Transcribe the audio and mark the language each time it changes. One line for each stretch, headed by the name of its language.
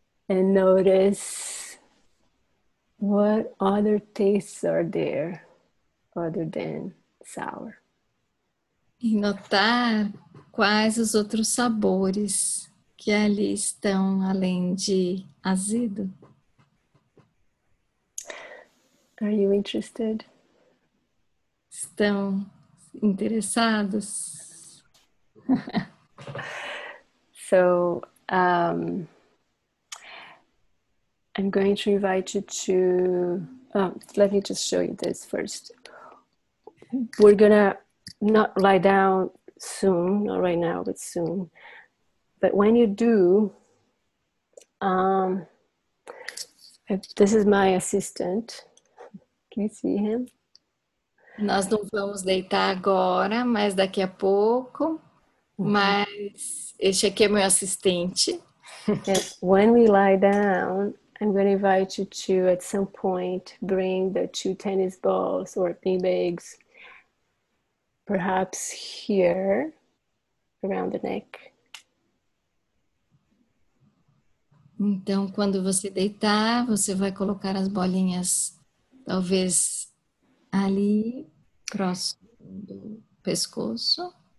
English: And notice what other tastes are there other than sour.
Portuguese: E notar quais os outros sabores que ali estão, além de azedo.
English: Are you interested?
Portuguese: Estão interessados?
English: So, I'm going to invite you to, let me just show you this first. We're gonna not lie down soon, not right now, but soon. But when you do, this is my assistant. Can you see him?
Portuguese: Nós não vamos deitar agora, mas daqui a pouco. Mas este aqui é meu assistente.
English: And when we lie down, I'm going to invite you to, at some point, bring the two tennis balls or beanbags, perhaps here, around the neck.
Portuguese: Então, quando você deitar, você vai colocar as bolinhas, talvez ali, próximo do pescoço.